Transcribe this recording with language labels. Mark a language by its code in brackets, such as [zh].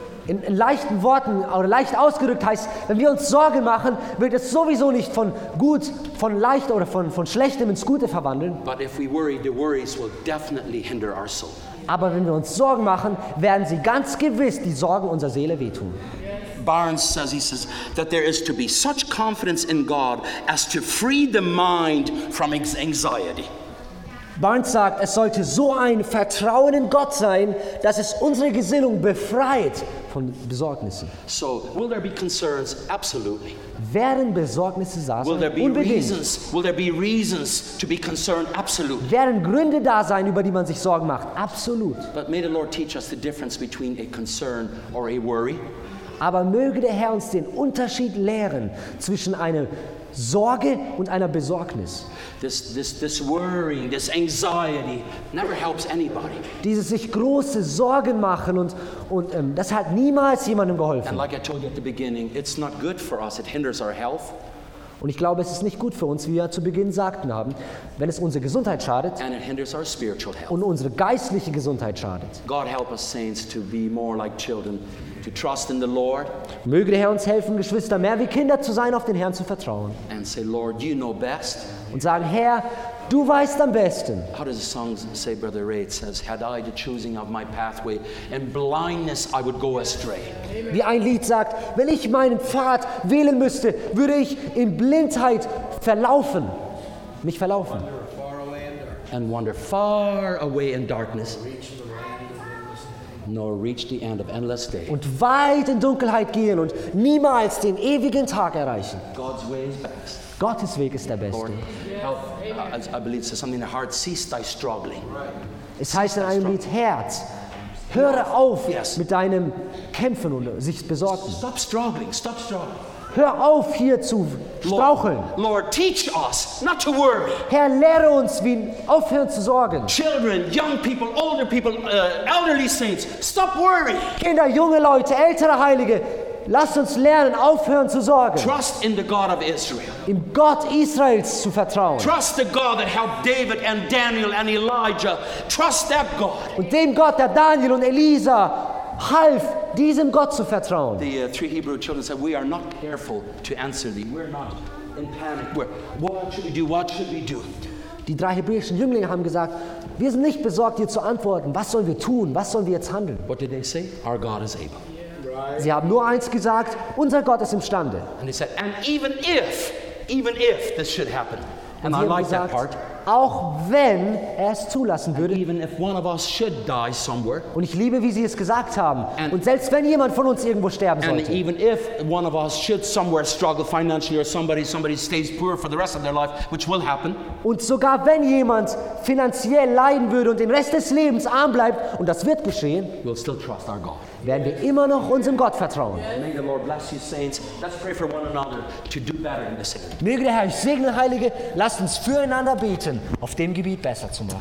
[de] In leichten Worten oder leicht ausgedrückt heißt, wenn wir uns Sorgen machen, wird es sowieso nicht von gut, von leicht oder von schlechtem ins Gute verwandeln. [en] But if we worry, the worries will definitely hinder our soul. [de] Aber wenn wir uns Sorgen machen, werden sie ganz gewiss die Sorgen unserer Seele wehtun. [en] Barnes says, he says that there is to be such confidence in God as to free the mind from anxiety. [de] Barnes sagt, es sollte so ein Vertrauen in Gott sein, dass es unsere Gesinnung befreit von Besorgnissen. [en] So, will there be concerns? Absolutely. [de] Werden Besorgnisse da sein? [en] Will there be reasons? Will there be reasons to be concerned? Absolutely. [de] Werden Gründe da sein, über die man sich Sorgen macht? Absolut. [en] But may the Lord teach us the difference between a concern or a worry. [de] Aber möge der Herr uns den Unterschied lehren zwischen einer Sorge und einer Besorgnis. [en] This worrying, this anxiety never helps anybody. [de] Dieses sich große Sorgen machen und das hat niemals jemandem geholfen. [en] And like I told you at the beginning, it's not good for us. It hinders our health. [de] Und ich glaube, es ist nicht gut für uns, wie wir zu Beginn sagten haben, wenn es unsere Gesundheit schadet und unsere geistliche Gesundheit schadet. [en] God help us, saints, to be more like children, to trust in the Lord. [de] Möge der Herr uns helfen, Geschwister, mehr wie Kinder zu sein, auf den Herrn zu vertrauen. [en] And say, Lord, you know best. [de] Und sagen, Herr, Du weißt am besten. [en] How does the song say, Brother Ray? It says, had I the choosing of my pathway and blindness, I would go astray. [de] Wie ein Lied sagt, wenn ich meinen Pfad wählen müsste, würde ich in Blindheit verlaufen. Mich verlaufen. [en] And wander far away in darkness. Nor reach the end of endless day. [de] Und weit in Dunkelheit gehen und niemals den ewigen Tag erreichen. [en] God's way is best. [de] Gottes Weg ist der beste. [en] Lord, help, yes. I believe it says something in the heart, cease thy struggling. [de] Es heißt in einem Lied, Herz, höre auf mit deinem Kämpfen und sich besorgen. [en] Stop struggling, stop struggling. [de] Hör auf hier zu straucheln. [en] Lord, teach us not to worry. [de] Herr, lehre uns, wie aufhören zu sorgen. [en] Children, young people, older people, elderly saints, stop worrying. [de] Kinder, junge Leute, ältere Heilige, lasst uns lernen, aufhören zu sorgen. [en] Trust in the God of Israel. [de] Im Gott Israels zu vertrauen. [en] Trust the God that helped David and Daniel and Elijah. Trust that God. [de] Und dem Gott, der Daniel und Elisa half, diesem Gott zu vertrauen. [en] The three Hebrew children said, we are not careful to answer thee. We're not in panic. What should we do? What should we do? [de] Die drei hebräischen Jünglinge haben gesagt, wir sind nicht besorgt, dir zu antworten. Was sollen wir tun? Was sollen wir jetzt handeln? [en] What did they say? Our God is able. [de] Sie haben nur eins gesagt, unser Gott ist imstande. [en] And he said, and even if this should happen. And I like that part. [de] Auch wenn er es zulassen würde. [en] Even if one of us should die somewhere. [de] Und ich liebe, wie sie es gesagt haben. [en] And [de] und selbst wenn jemand von uns irgendwo sterben [en] and And even if one of us should somewhere struggle financially or somebody stays poor for the rest of their life, which will happen. [de] Und sogar wenn jemand finanziell leiden würde und den Rest des Lebens arm bleibt, und das wird geschehen. [en] We'll still trust our God. [de] Werden wir immer noch unserem Gott vertrauen. [en] May the Lord bless you, saints. Let's pray for one another to do better in this area. [de] Möge der Herr euch segnen, Heilige. Lasst uns füreinander beten, auf dem Gebiet besser zu machen.